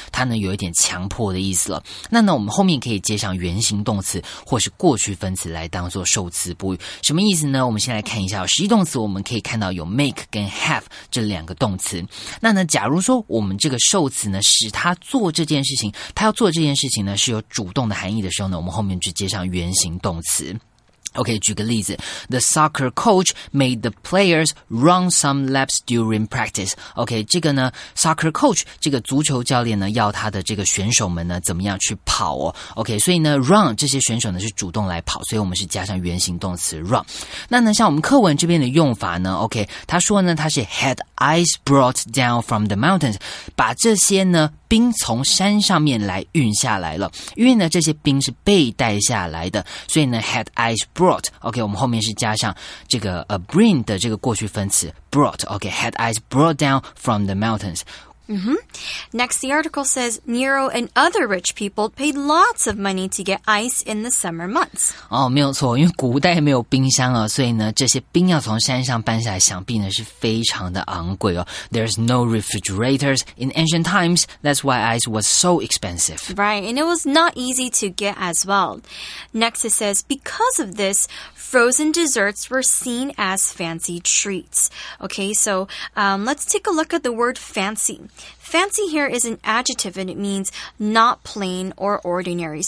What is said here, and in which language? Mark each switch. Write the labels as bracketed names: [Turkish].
[Chinese] 它呢有一点强迫的意思了。那呢我们后面可以接上原形动词或是过去分词来当作受词补语。什么意思呢？我们先来看一下使役动词，我们可以看到有 make 跟 have 这两个动词。那呢假如说我们这个受词呢使他做这件事情，他要做这件事情呢是有主动的含义的时候呢，我们后面就接上原形动词。 OK, 举个例子。 [English] The soccer coach made the players run some laps during practice. [Chinese] OK, 这个呢 ,soccer coach, 这个足球教练呢要他的这个选手们呢怎么样去跑哦。 OK, 所以呢 ,run, 这些选手呢是主动来跑，所以我们是加上原形动词 run。那呢像我们课文这边的用法呢 ,OK, 他说呢他是 [English] had ice brought down from the mountains, [Chinese] 把这些呢冰从山上面来运下来了。因为呢这些冰是被带下来的，所以呢 [English] had ice brought, [Chinese] OK, 我们后面是加上这个 bring 的这个过去分词 brought, OK, [English] had ice brought down from the mountains. Next, the article says Nero and other rich people paid lots of money to get ice in the summer months. [Chinese] 哦，没有错，因为古代没有冰箱啊，所以呢，这些冰要从山上搬下来，想必呢是非常的昂贵哦。 [English] There's no refrigerators in ancient times. That's why ice was so expensive. Right, and it was not easy to get as well. Next, it says because of this, frozen desserts were seen as fancy treats. Okay, so let's take a look at the word fancy. Fancy here is an adjective and it means not plain or ordinary.